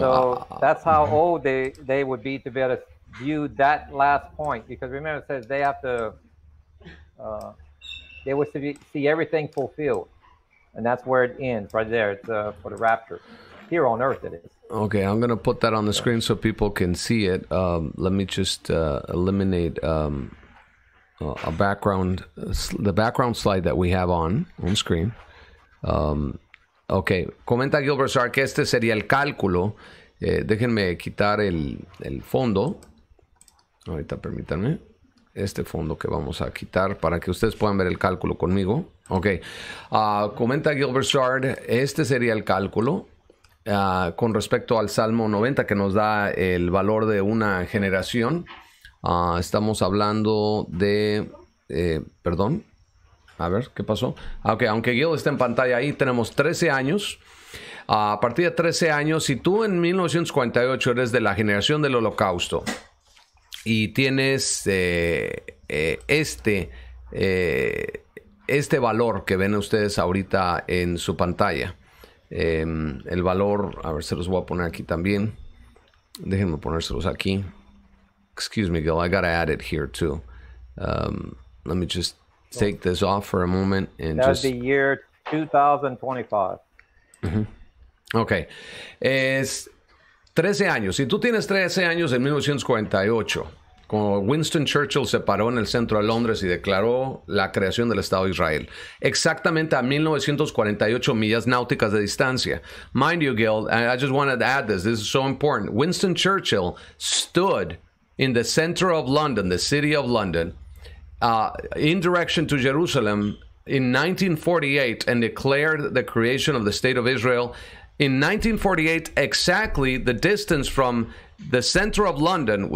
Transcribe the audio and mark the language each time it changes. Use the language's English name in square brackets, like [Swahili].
[English] So that's how old they would be to be able to view that last point, because remember, it says they have to they would see everything fulfilled, and that's where it ends, right there. It's for the rapture here on earth. It is. Okay, I'm going to put that on the screen so people can see it. Let me just eliminate the background slide that we have on screen. [Spanish] Okay, comenta Gilbert Sark, este sería el cálculo. Déjenme quitar el fondo. Ahorita permítanme. Este fondo que vamos a quitar para que ustedes puedan ver el cálculo conmigo. Okay, comenta Gilbert Sark, este sería el cálculo. Con respecto al Salmo 90, que nos da el valor de una generación, estamos hablando de, perdón, a ver, ¿qué pasó? Ok, aunque Gil está en pantalla ahí, tenemos 13 años. A partir de 13 años, si tú en 1948 eres de la generación del Holocausto y tienes este valor que ven ustedes ahorita en su pantalla, el valor, a ver, se los voy a poner aquí también. Déjenme ponérselos aquí. [English] Excuse me, Gil, I gotta add it here too. Let me just take this off for a moment and that's the year 2025. [Spanish] Mm-hmm. Ok, es 13 años. Si tú tienes 13 años en 1948, como Winston Churchill se paró en el centro de Londres y declaró la creación del Estado de Israel, exactamente a 1948 millas náuticas de distancia. [English] Mind you, Gil, I just wanted to add this. This is so important. Winston Churchill stood in the center of London, the city of London, in direction to Jerusalem in 1948 and declared the creation of the State of Israel in 1948, exactly the distance from the center of London.